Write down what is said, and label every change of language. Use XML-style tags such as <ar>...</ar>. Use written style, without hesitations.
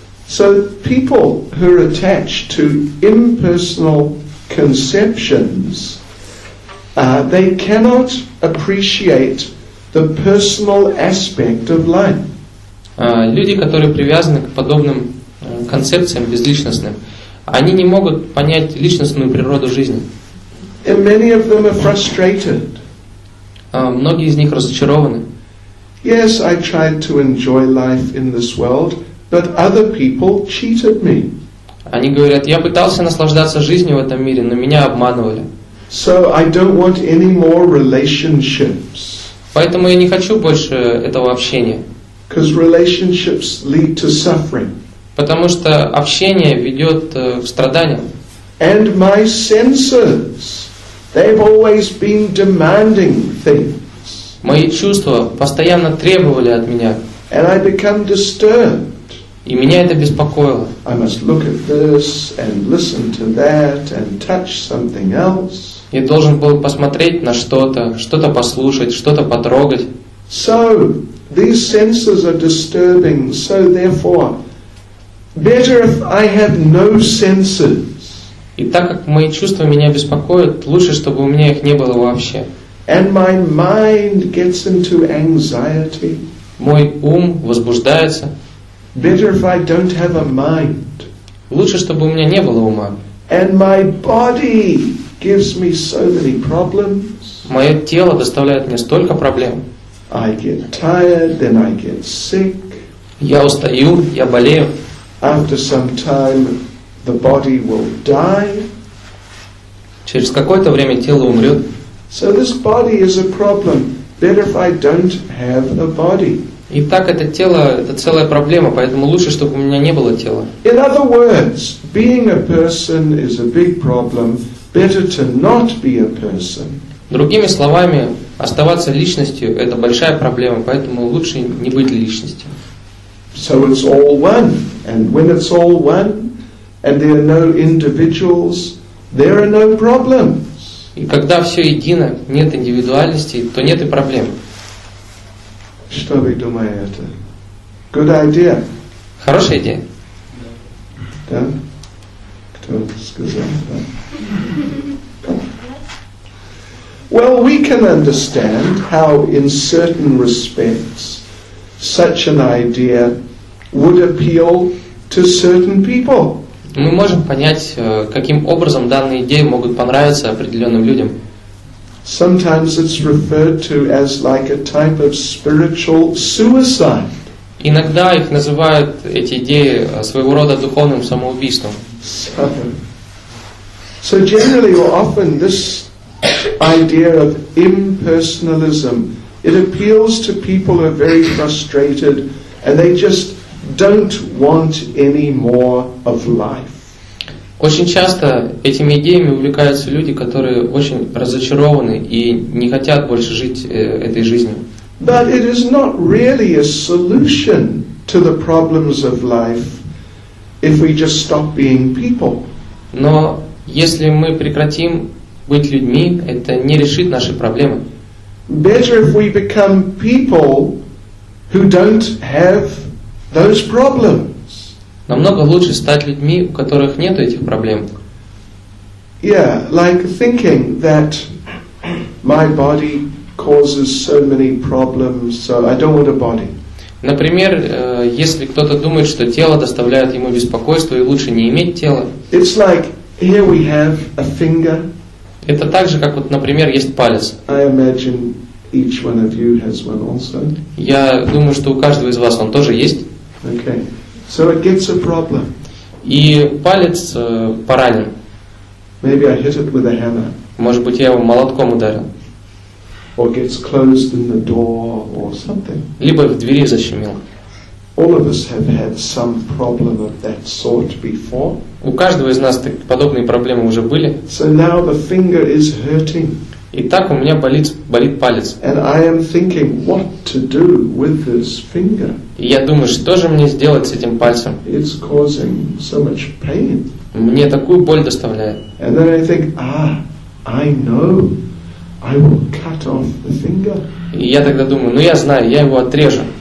<en>So people who are attached to impersonal conceptions, they cannot appreciate the personal aspect of life.</en> <ru>Люди, которые привязаны к подобным концепциям безличностным, они не могут понять личностную природу жизни.</ru> <en>And many of them are frustrated.</en> <ru>Многие из них разочарованы.</ru> <en>Yes, I tried to enjoy life in this world, but other people cheated me.</en> <ru>Они говорят, я пытался наслаждаться жизнью в этом мире, но меня обманывали.</ru> <en>So I don't want any more relationships.</en> <ru>Поэтому я не хочу больше этого общения.</ru> <en>Because relationships lead to suffering.</en> <ru>Потому что общение ведет к страданиям.</ru> <en>And my senses, they've always been demanding things.</en> <ru>Мои чувства постоянно требовали от меня.</ru> <en>And I become disturbed.</en> <ru>И меня это беспокоило.</ru> <en>I must look at this and listen to that and touch something else.</en> <ru>Я должен был посмотреть на что-то, что-то послушать, что-то потрогать.</ru> <en>So these senses are disturbing, so therefore, better if I have no senses.</en> <ru>И так как мои чувства меня беспокоят, лучше, чтобы у меня их не было вообще.</ru> <en>And my mind gets into anxiety.</en> <ru>Мой ум возбуждается.</ru> <en>Better if I don't have a mind.</en> <ru>Лучше, чтобы у меня не было ума.</ru> <en>And my body gives me so many problems.</en> <ru>Мое тело доставляет мне столько проблем.</ru> <en>I get tired, then I get sick.</en> <ru>Я устаю, я болею.</ru> <en>After some time, the body will die.</en> <ru>Через какое-то время тело умрет.</ru> <en>So this body is a problem. Better if I don't have a body.</en> <ru>Итак, это тело – это целая проблема, поэтому лучше, чтобы у меня не было тела.</ru> <en>In other words, being a person is a big problem. Better to not be a person.</en> <ru>Другими словами, оставаться личностью – это большая проблема, поэтому лучше не быть личностью.</ru> <en>So it's all one. And when it's all one, and there are no individuals, there are no problems.</en> <ru>И когда все едино, нет индивидуальности, то нет и проблем. Что вы думаете?</ru> <en>Good idea.</en> <ru>Хорошая идея. Да? Кто сказал? Да.</ru> <en>Well, we can understand how in certain respects such an idea would appeal to certain people.</en> <ru>Мы можем понять, каким образом данные идеи могут понравиться определенным людям.</ru> <en>Sometimes it's referred to as like a type of spiritual suicide.</en> <ru>Иногда их называют, эти идеи, своего рода духовным самоубийством.</ru> <en>So generally or often this idea of impersonalism, it appeals to people who are very frustrated and they just don't want any more of life.</en> <ru>Очень часто этими идеями увлекаются люди, которые очень разочарованы и не хотят больше жить этой жизнью.</ru> <en>But it is not really a solution to the problems of life if we just stop being people.</en> <ru>Но если мы прекратим быть людьми, это не решит наши проблемы.</ru> <en>Better if we become people who don't have those problems.</en> <ru>Намного лучше стать людьми, у которых нет этих проблем.</ru> <en>Yeah, like thinking that my body causes so many problems, so I don't want a body.</en> <ru>Например, если кто-то думает, что тело доставляет ему беспокойство и лучше не иметь тело.</ru> <en>It's like here we have a finger.</en> <ru>Это так же, как вот, например, есть палец.</ru> <en>I imagine each one of you has one also.</en> <ru>Я думаю, что у каждого из вас он тоже есть.</ru> <en>Okay, so it gets a problem.</en> <ru>И палец поранен.</ru> <en>Maybe I hit it with a hammer.</en> <ru>Может быть, я его молотком ударил.</ru> <en>Or gets closed in the door or something.</en> <ru>Либо в двери защемил.</ru> <en>All of us have had some problem of that sort before.</en> <ru>У каждого из нас подобные проблемы уже были.</ru> <en>So now the finger is hurting.</en> <ru>И так у меня болит палец.</ru> <en>And I am thinking what to do with this finger.</en> <ru>И я думаю, что же мне сделать с этим пальцем?</ru> <en>It's causing so much pain.</en> <ru>Мне такую боль доставляет.</ru> <en>And then I think, I know, I will cut off the finger.</en> <ru>И я тогда думаю, ну я знаю, я его отрежу.</ru>